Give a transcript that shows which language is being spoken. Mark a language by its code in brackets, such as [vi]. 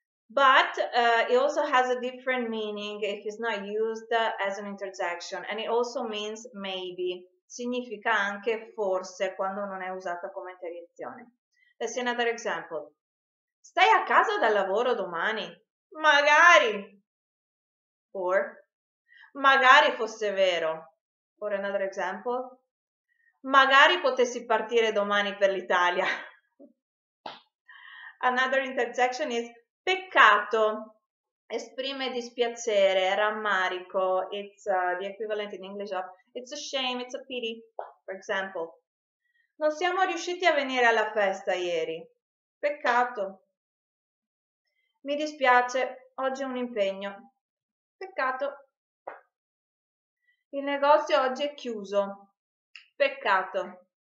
[en] But it also has a different meaning if it's not used as an interjection, and it also means maybe. [it] Significa anche forse quando non è usata come interiezione. [en] Let's see another example. [it] Stai a casa dal lavoro domani? Magari! [en] Or, [it] magari fosse vero. [en] Or another example. [it] Magari potessi partire domani per l'Italia. [en] Another interjection is peccato. [it] Esprime dispiacere, rammarico. [en] It's the equivalent in English of it's a shame, it's a pity. For example, [it] non siamo riusciti a venire alla festa ieri. Peccato. Mi dispiace, oggi è un impegno. Peccato. Il negozio oggi è chiuso. Peccato.